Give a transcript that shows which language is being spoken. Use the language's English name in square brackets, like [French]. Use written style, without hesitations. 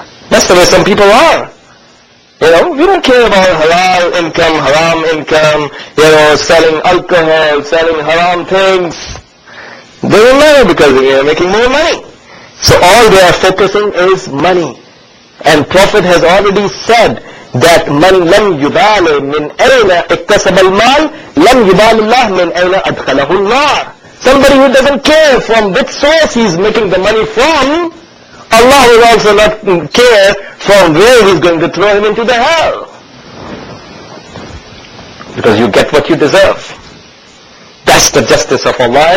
[English] That's the way some people are. You know, we don't care about halal income, haram income, you know, selling alcohol, selling haram things. They don't know because they are making more money. So all they are focusing is money. And Prophet has already said that [Arabic] مَنْ لَمْ يُبَالِ مِنْ أَيْنَ اِكْتَسَبَ الْمَالِ لَمْ يُبَالِ اللَّهِ مِنْ أَيْنَ أَدْخَلَهُ النَّارِ. [English] Somebody who doesn't care from which source he is making the money from, Allah will also not care from where he's going to throw him into the hell. Because you get what you deserve. That's the justice of Allah.